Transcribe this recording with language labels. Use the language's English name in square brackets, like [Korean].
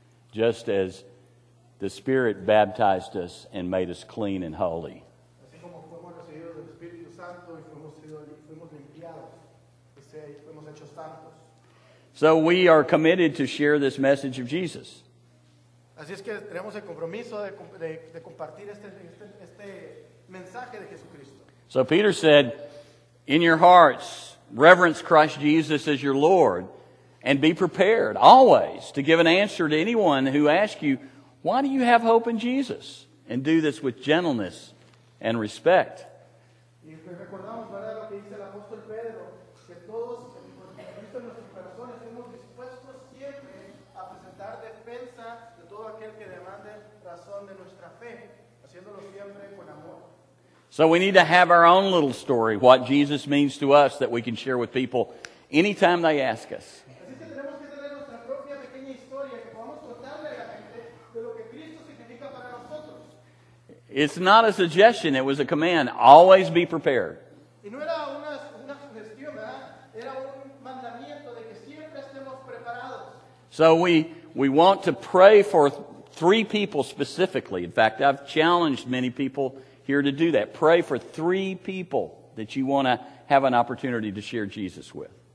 [English] Just as the Spirit baptized us and made us clean and holy. [Spanish] Así como fuimos recibidos del Espíritu Santo y fuimos limpiados. Fuimos hechos santos. [English] So we are committed to share this message of Jesus. [Spanish] Así es que tenemos el compromiso de compartir este mensaje de Jesucristo. [English] So Peter said, in your hearts, reverence Christ Jesus as your Lord, and be prepared always to give an answer to anyone who asks you, why do you have hope in Jesus? And do this with gentleness and respect. [Spanish] Y recordamos, ¿verdad?, lo que dice el apóstol Pedro, que todos, por Cristo en nuestros corazones, estemos dispuestos siempre a presentar defensa de todo aquel que demande razón de nuestra fe, haciéndolo siempre con amor. [English] So we need to have our own little story, what Jesus means to us, that we can share with people anytime they ask us. [Spanish] Así que tenemos que tener nuestra propia pequeña historia, que podamos contarle a la gente de lo que Cristo significa para nosotros. [English] It's not a suggestion, it was a command. Always be prepared. [Spanish] Y no era una sugestión, ¿verdad? Era un mandamiento de que siempre estemos preparados. [English] So we want to pray for three people specifically. In fact, I've challenged many people here to do that. Pray for three people that you want to have an opportunity to share Jesus with.